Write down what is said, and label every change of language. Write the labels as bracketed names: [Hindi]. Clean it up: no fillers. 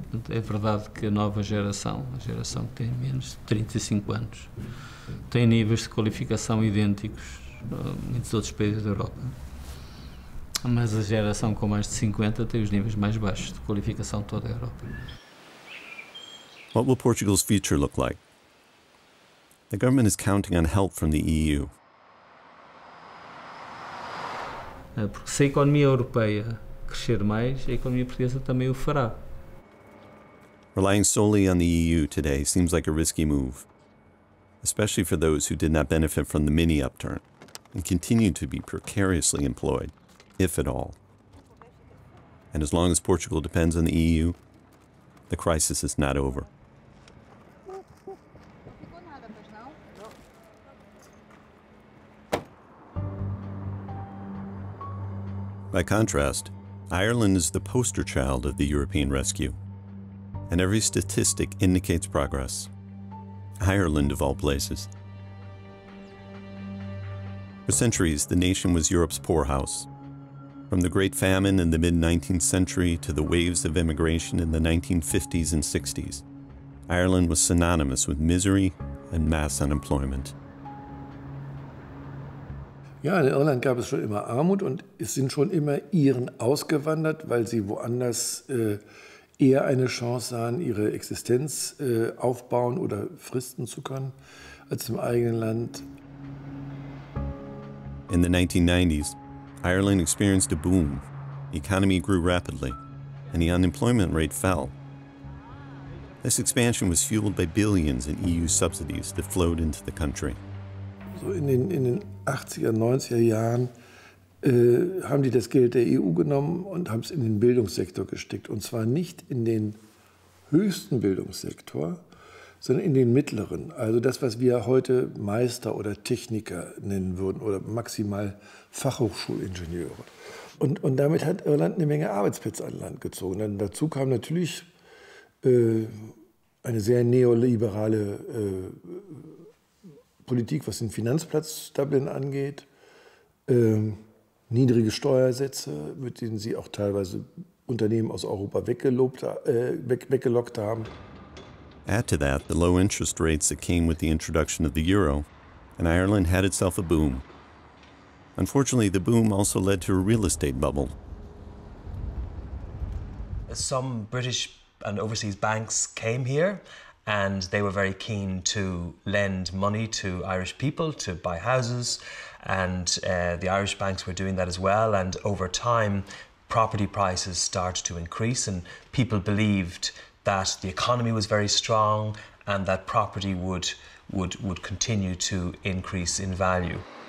[Portuguese] É verdade que a nova geração, a geração que tem menos de 35 anos, tem níveis de qualificação idênticos a muitos outros países da Europa. Mas a geração com mais de 50 tem os níveis mais baixos de qualificação de toda a Europa. [English] What will Portugal's future look like? The government is counting on help from the EU. [Portuguese] Porque se a economia europeia crescer mais, a economia portuguesa também o fará. [English] Relying solely on the EU today seems like a risky move, especially for those who did not benefit from the mini upturn and continue to be precariously employed, if at all. And as long as Portugal depends on the EU, the crisis is not over. By contrast, Ireland is the poster child of the European rescue, and every statistic indicates progress. Ireland, of all places. For centuries, the nation was Europe's poorhouse. From the Great Famine in the mid-19th century to the waves of immigration in the 1950s and 60s, Ireland was synonymous with misery and mass unemployment. [German] Ja, in Irland gab es schon immer Armut und es sind schon immer Iren ausgewandert, weil sie woanders eher eine Chance sahen, ihre Existenz aufbauen oder fristen zu können, als im eigenen Land. [English] In the 1990s, Ireland experienced a boom. The economy grew rapidly and the unemployment rate fell. This expansion was fueled by billions in EU subsidies that flowed into the country. [German] So in den 80er, 90er Jahren haben die das Geld der EU genommen und haben es in den Bildungssektor gesteckt. Und zwar nicht in den höchsten Bildungssektor, sondern in den mittleren. Also das, was wir heute Meister oder Techniker nennen würden oder maximal Fachhochschulingenieure. Und damit hat Irland eine Menge Arbeitsplätze an Land gezogen. Dann dazu kam natürlich eine sehr neoliberale Politik, was den Finanzplatz Dublin angeht, niedrige Steuersätze, mit denen sie auch teilweise Unternehmen aus Europa weggelockt haben. [English] Add to that the low interest rates that came with the introduction of the euro, and Ireland had itself a boom. Unfortunately, the boom also led to a real estate bubble. Some British and overseas banks came here, and they were very keen to lend money to Irish people to buy houses, and the Irish banks were doing that as well, and over time, property prices started to increase, and people believed that the economy was very strong and that property would continue to increase in value.